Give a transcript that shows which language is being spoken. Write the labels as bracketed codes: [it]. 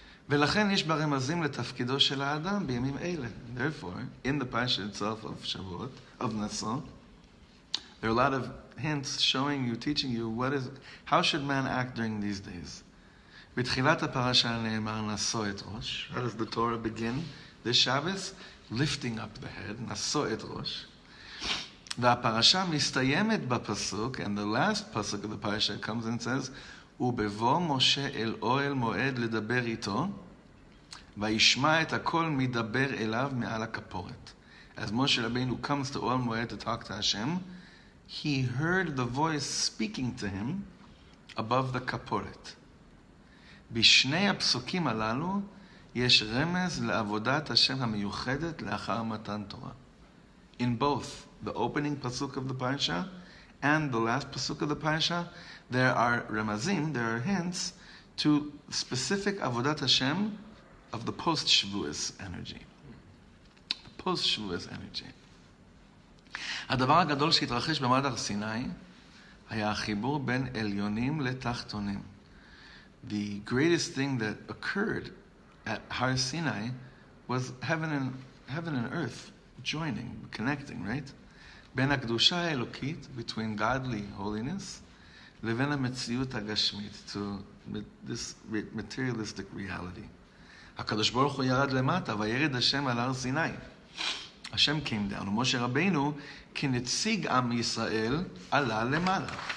[he] ולכן יש ברמזים לתפקידו של האדם בימים אלה. [en] Therefore, in the parasha itself of Shavuot, of Nasso, there are a lot of hints showing you, teaching you, what is, how should man act during these days. [he] בתחילת הפרשה נאמר נשא את ראש. [en] How does the Torah begin? The Shavuos, lifting up the head, [he] נשא את ראש. והפרשה מסתיימת בפסוק, [en] and the last pasuk of the parasha comes and says, [he] ובבוא משה אל אוהל מועד לדבר איתו, וישמע את הכל מדבר אליו מעל הכפורת. [en] As Moshe Rabbeinu comes to Oel Moed to talk to Hashem, he heard the voice speaking to him above the kaporet. [he] בשני הפסוקים הללו יש רמז לעבודת השם המיוחדת לאחר מתן תורה. [en] In both the opening pasuk of the parasha and the last pasuk of the parasha, there are remazim, there are hints, to specific avodat Hashem of the post-Shavuos energy. Post-Shavuos energy. [he] הדבר הגדול שהתרחש במעמד הר סיני היה החיבור בין עליונים לתחתונים. [en] The greatest thing that occurred at Har Sinai was heaven and earth joining, connecting, right? [he] בין הקדושה האלוקית, [en] between godly holiness, [he] לבין המציאות הגשמית, [en] to this materialistic reality. [he] הקדוש ברוך הוא ירד למטה, וירד השם על הר סיני. השם [en] came down, [he] ומשה רבינו, כנציג עם ישראל, עלה למעלה.